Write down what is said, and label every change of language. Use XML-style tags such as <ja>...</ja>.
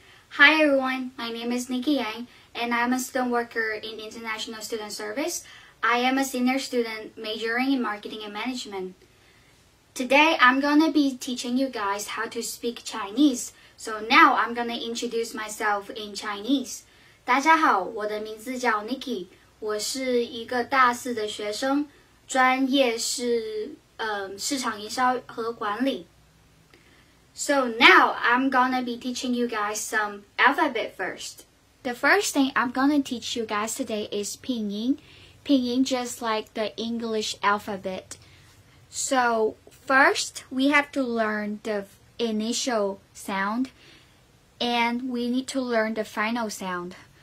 <en>Hi everyone, my name is Nikki Yang and I'm a student worker in International Student Service. I am a senior student majoring in marketing and management. Today I'm gonna be teaching you guys how to speak Chinese. So now I'm gonna introduce myself in Chinese.</en> <zh>大家好，我的名字叫 Nikki， 我是一个大四的学生，专业是市场营销和管理。</zh> <en>So now, I'm gonna be teaching you guys some alphabet first. The first thing I'm gonna teach you guys today is pinyin. Pinyin just like the English alphabet. So first, we have to learn the initial sound, and we need to learn the final sound.</en>